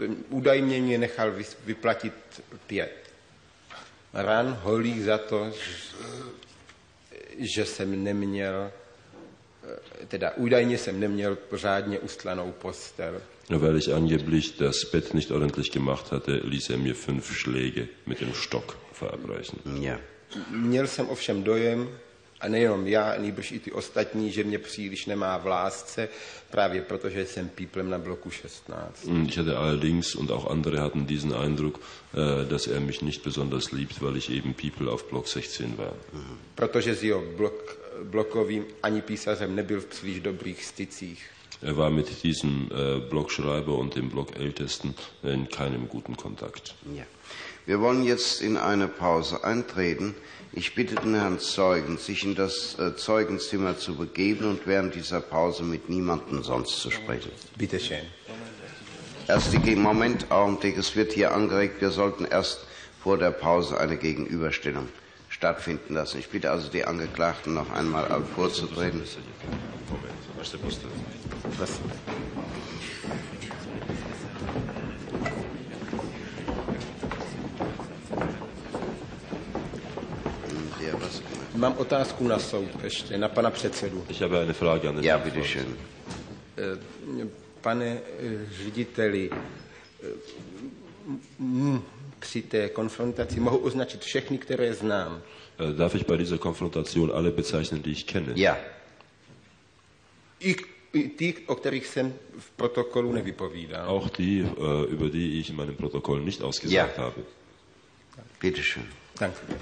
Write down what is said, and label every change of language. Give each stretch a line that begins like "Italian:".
Czech: Údajně mě nechal vyplatit 5 ran holých za to, že jsem neměl, teda údajně jsem neměl pořádně ustlanou postel.
German: Weil ich angeblich das Bett nicht ordentlich gemacht hatte, ließ er mir 5 Schläge mit dem Stock verabreichen. Ja.
Czech: Měl jsem ovšem dojem, a nejenom já, nejbrž i ty ostatní, že mě příliš nemá v lásce, právě protože jsem píplem na bloku 16.
German: Ich hatte allerdings und auch andere hatten diesen Eindruck, dass er mich nicht besonders liebt, weil ich eben Pípel auf Block 16 war.
Czech: Protože s jeho blokovým ani písařem nebyl v příliš dobrých stycích.
German: Er war mit diesem Blockschreiber und dem Blockältesten in keinem guten Kontakt. Ja. Wir wollen jetzt in eine Pause eintreten. Ich bitte den Herrn Zeugen, sich in das Zeugenzimmer zu begeben und während dieser Pause mit niemandem sonst zu sprechen. Bitte schön. Erst den Moment, Augenblick, es wird hier angeregt. Wir sollten erst vor der Pause eine Gegenüberstellung stattfinden lassen. Ich bitte also die Angeklagten noch einmal vorzutreten.
Czech: Mám otázku na soud ještě, na pana předsedu.
German: Ich habe eine Frage an den Herrn. Ja, bitte schön.
Czech: Pane řediteli, při té konfrontaci mohu označit všechny, které znám.
German: Darf ich bei dieser Konfrontation alle bezeichnen, die ich kenne? Ja.
Czech: I ty, o kterých jsem v protokolu nevypovídal.
German: Auch die, über die ich in meinem Protokoll nicht ausgesagt ja. habe. Bitte schön. Danke.